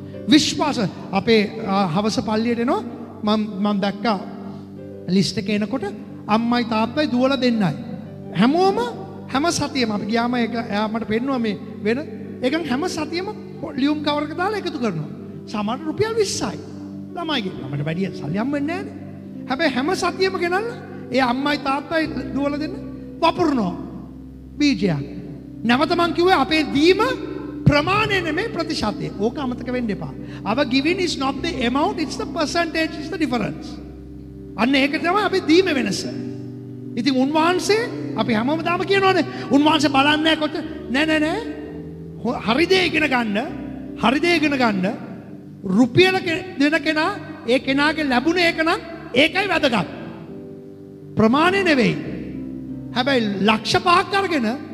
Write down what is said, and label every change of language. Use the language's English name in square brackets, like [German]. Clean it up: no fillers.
[Sinhala] විශ්වාස අපේ හවස පල්ලියට එනවා. මම දැක්කා ලිස්ට් එක එනකොට අම්මයි තාත්තයි දුවලා දෙන්නයි හැමෝම හැම සතියෙම අපි ගියාම ඒක යාමට පෙන්නුවා මේ වෙන ඒකන් හැම සතියෙම ලියුම් කවර් එක දාලා එකතු කරනවා. සමහර රුපියල් 20යි ළමයිගේ අපිට වැඩි සල්ලියම් වෙන්නේ නැහැනේ. හැබැයි හැම සතියෙම ගෙනල්ලා ඒ අම්මයි තාත්තයි දුවලා දෙන්න වපුරනවා. බීජයක් නැවත මං කිව්වේ අපේ දීම ප්‍රමාණය නෙමෙයි ප්‍රතිශතය. ඕක අමතක වෙන්න එපා. [English] Our giving is not the amount, it's the percentage is the difference. [Sinhala] අන්න ඒක තමයි අපේ දීම වෙනස. ඉතින් උන්වහන්සේ අපි හැමෝම තාම කියනවානේ උන්වහන්සේ බලන්නේ කොච්චර නෑ හරි දේ ඉගෙන ගන්න හරි දේ ඉගෙන ගන්න රුපියල දෙන කෙනා ඒ කෙනාගේ ලැබුණ එක නම් ඒකයි වැදගත්. ප්‍රමාණය නෙවෙයි. හැබැයි ලක්ෂ පහක් අරගෙන